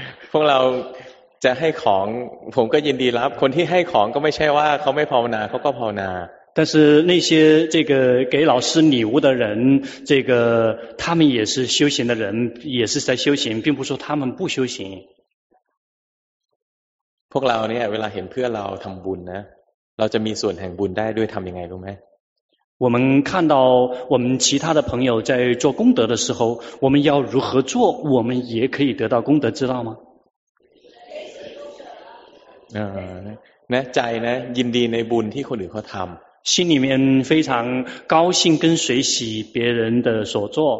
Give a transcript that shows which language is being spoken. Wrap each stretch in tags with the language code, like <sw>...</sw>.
<th>พวกเราจะให้ของผมก็ยินดีรับคนที่ให้ของก็ไม่ใช่ว่าเขาไม่ภาวนาเขาก็ภาวนา</th> <zh>但是那些这个给老师礼物的人这个他们也是修行的人也是在修行并不说他们不修行</zh> <th>พวกเราเนี่ยเวลาเห็นเพื่อเราทำบุญนะเราจะมีส่วนแห่งบุญได้ด้วยทำยังไงรู้ไหม</th> <zh>我们看到我们其他的朋友在做功德的时候我们要如何做我们也可以得到功德知道吗</zh> <th>นะใจนะยินดีในบุญที่คนอื่นเขาทำ</th> <zh>心里面非常高兴跟随喜别人的所作</zh>